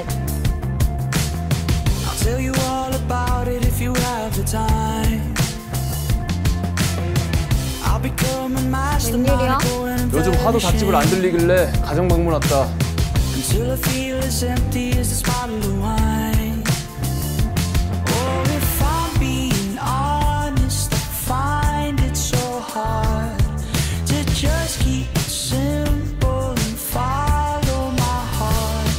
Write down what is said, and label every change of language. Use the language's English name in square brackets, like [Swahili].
[English] I'll tell you all about it if you have the time. I'll become a master. [Korean] 웬일이야? 요즘 화도 닭집을 안 들리길래 가정 방문 왔다. [English] Until I feel as empty as this bottle of wine. Or if I'm being honest, I find it so hard to just keep it simple and follow my heart.